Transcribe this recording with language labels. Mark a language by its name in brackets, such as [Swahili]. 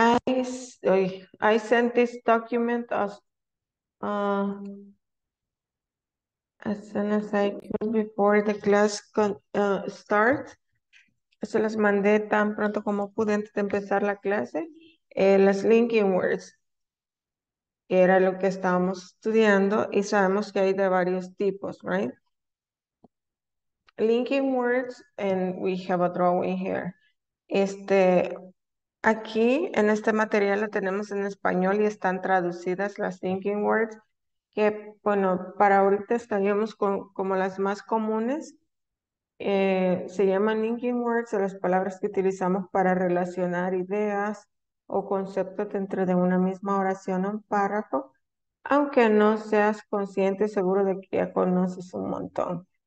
[English] I sent this document as soon as I could before the class starts. [Spanish] Se las mandé tan pronto como pude antes de empezar la clase. Las linking words, que era lo que estábamos estudiando y sabemos que hay de varios tipos, [English] right? Linking words, and we have a drawing here. [Spanish] Aquí en este material lo tenemos en español y están traducidas las linking words, que bueno, para ahorita estaríamos como las más comunes. Se llaman linking words a las palabras que utilizamos para relacionar ideas o conceptos dentro de una misma oración o un párrafo, aunque no seas consciente seguro de que ya conoces un montón.